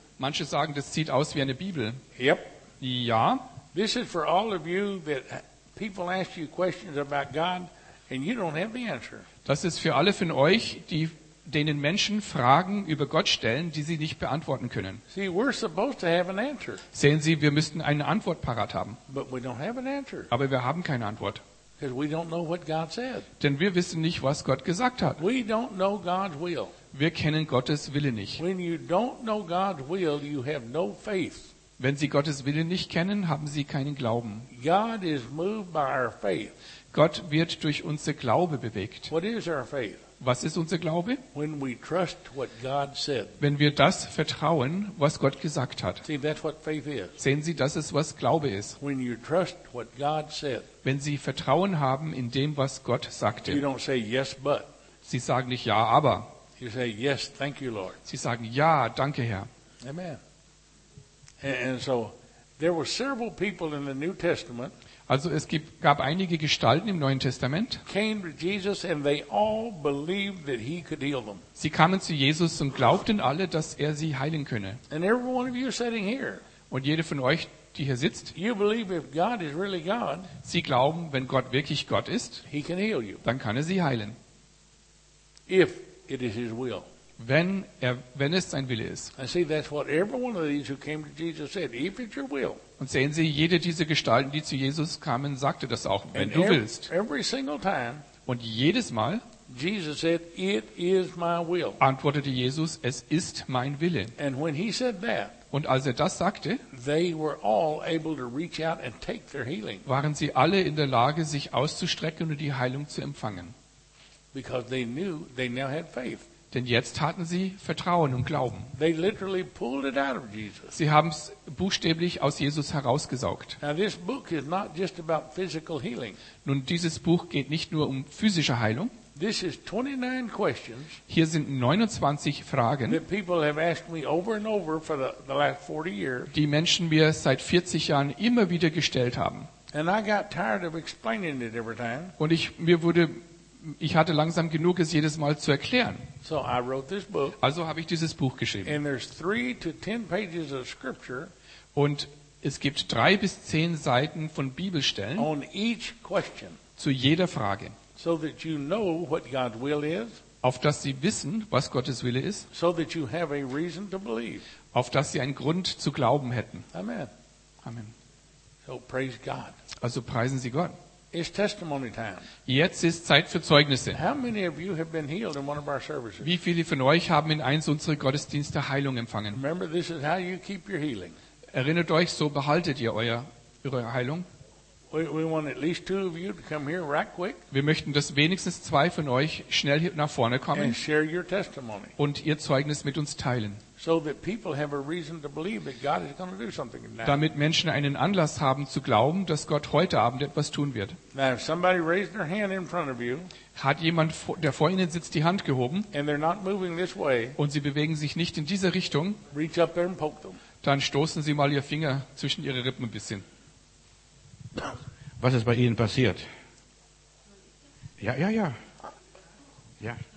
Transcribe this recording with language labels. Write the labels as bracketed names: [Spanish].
[German] Manche sagen, das sieht aus wie eine Bibel. [English] Yep. [German] Ja. [English] This is for all of you that people ask you questions about God and you don't have the answer. [German] Das ist für alle von euch, denen Menschen Fragen über Gott stellen, die sie nicht beantworten können. [English] See, we're supposed to have an answer. [German] Sehen Sie, wir müssten eine Antwort parat haben. [English] But we don't have an answer. [German] Aber wir haben keine Antwort. [English] We don't know what God said. [German] Denn wir wissen nicht, was Gott gesagt hat. [English] We don't know God's will. [German] Wir kennen Gottes Wille nicht. Wenn Sie Gottes Wille nicht kennen, haben Sie keinen Glauben. [English] God is moved by our faith. [German] Gott wird durch unser Glaube bewegt. [English] What is our faith? [German] Was ist unser Glaube? [English] When we trust what God said. [German] Wenn wir das vertrauen, was Gott gesagt hat. [English] See, that's what faith is. [German] Sehen Sie, das ist, was Glaube ist. [English] When you trust what God said. [German] Wenn Sie Vertrauen haben in dem, was Gott sagte. [English] You don't say yes, but. [German] Sie sagen nicht ja, aber. [English] You say yes, thank you, Lord. [German] Sie sagen ja, danke, Herr. [English] Amen. And so there were several people in the New Testament. [German] Also es gab einige Gestalten im Neuen Testament. [English] Came to Jesus and they all believed that he could heal them. [German] Sie kamen zu Jesus und glaubten alle, dass er sie heilen könne. [English] And every one of you sitting here. [German] Und jede von euch, die hier sitzt. [English] You believe if God is really God. [German] Sie glauben, wenn Gott wirklich Gott ist, [English] he can heal you. [German] Dann kann er sie heilen. [English] If it is his will. [German] Wenn es sein Wille ist. Und sehen Sie, jede dieser Gestalten, die zu Jesus kamen, sagte das auch, wenn du willst. [English] Every single time, [German] und jedes Mal [English] Jesus said, it is my will. [German] Antwortete Jesus, es ist mein Wille. [English] And when he said that, [German] und als er das sagte, [English] they were all able to reach out and take their healing. [German] Waren sie alle in der Lage, sich auszustrecken und die Heilung zu empfangen. [English] Because they knew they now had faith. [German] Denn jetzt hatten sie Vertrauen und Glauben. [English] They literally pulled it out of Jesus. [German] Sie haben es buchstäblich aus Jesus herausgesaugt. [English] Now this book is not just about physical healing. [German] Nun, dieses Buch geht nicht nur um physische Heilung. [English] This is 29 questions. [German] Hier sind 29 Fragen, [English] that people have asked me over and over for the last 40 years. [German] Die Menschen mir seit 40 Jahren immer wieder gestellt haben. [English] And I got tired of explaining it every time. [German] Und ich hatte langsam genug, es jedes Mal zu erklären. [English] So I wrote this book, [German] also habe ich dieses Buch geschrieben. [English] And there's 3 to 10 pages of scripture, [German] und es gibt 3 bis 10 Seiten von Bibelstellen [English] on each question, [German] zu jeder Frage. [English] So that you know what God's will is, [German] auf dass Sie wissen, was Gottes Wille ist. [English] So that you have a reason to believe. [German] Auf dass Sie einen Grund zu glauben hätten. [English] Amen. [German] Amen. [English] So praise God. [German] Also preisen Sie Gott. [English] It's testimony time. [German] Jetzt ist Zeit für Zeugnisse. [English] How many of you have been healed in one of our services? [German] Wie viele von euch haben in eins unserer Gottesdienste Heilung empfangen? [English] Remember, this is how you keep your healing. [German] Erinnert euch, so behaltet ihr eure Heilung. [English] We want at least 2 of you to come here right quick. [German] Wir möchten, dass wenigstens 2 von euch schnell hier nach vorne kommen [English] and share your testimony. [German] Und ihr Zeugnis mit uns teilen. [English] So that people have a reason to believe that God is going to do something now. [German] Damit Menschen einen Anlass haben zu glauben, dass Gott heute Abend etwas tun wird. [English] Now, if somebody raised their hand in front of you, [German] hat jemand, der vor Ihnen sitzt, die Hand gehoben, [English] and they're not moving this way, [German] und sie bewegen sich nicht in diese Richtung, [English] reach up there and poke them. [German] Dann stoßen Sie mal Ihr Finger zwischen Ihre Rippen ein bisschen. Was ist bei Ihnen passiert? Ja, ja, ja. Ja.